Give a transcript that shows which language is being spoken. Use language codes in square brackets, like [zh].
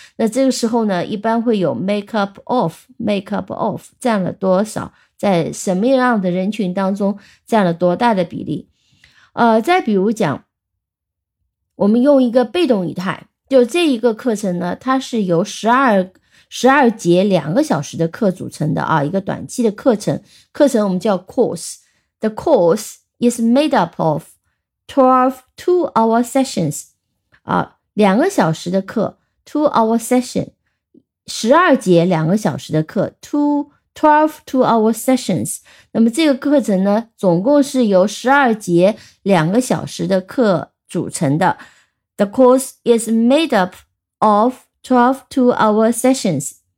[zh] 那这个时候呢，一般会有 [en] make up of, [zh] 占了多少，在什么样的人群当中占了多大的比例。再比如讲，我们用一个被动语态。就这一个课程呢，它是由12节两个小时的课组成的啊，一个短期的课程。课程我们叫 course。 [en] The course is made up of 12 two-hour sessions。 [zh] 啊，两个小时的课 , [en] two-hour session。 [zh] 12节两个小时的课 , [en] 12 two-hour sessions。 [zh] 那么这个课程呢，总共是由12节两个小时的课组成的。 [en] The course is made up of 12 two-hour sessions.